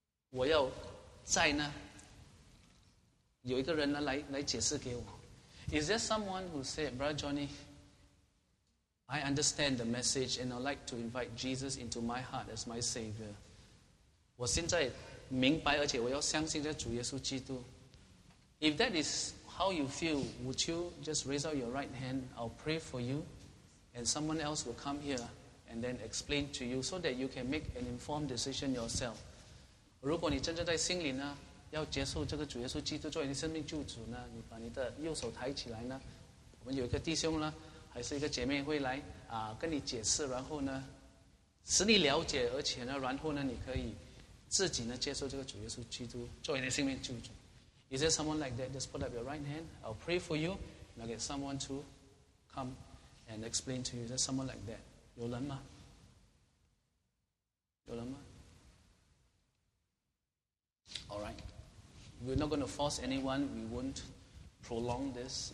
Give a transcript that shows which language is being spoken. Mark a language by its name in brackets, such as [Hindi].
[Chinese] 我要再呢有一个人呢来解释给我。 [English] Is there someone who said, "Brother Johnny, I understand the message and I'd like to invite Jesus into my heart as my Savior. [Chinese] 我现在明白而且我要相信这主耶稣基督。 [English] If that is how you feel, would you just raise out your right hand? I'll pray for you and someone else will come here and then explain to you so that you can make an informed decision yourself. [Chinese] 如果你真正在心里呢, 要接受这个主耶稣基督作为你生命救主呢, 你把你的右手抬起来呢, 我们有一个弟兄呢, 还是一个姐妹会来, 啊, 跟你解释, 然后呢, 使你了解, 而且呢, 然后呢, 你可以自己呢, 接受这个主耶稣基督作为你生命救主。 [English] Is there someone like that? Just put up your right hand. I'll pray for you. And I'll get someone to come and explain to you. Is there someone like that? [Chinese] 有人吗? 有人吗? [English] All right. We're not going to force anyone. We won't prolong this.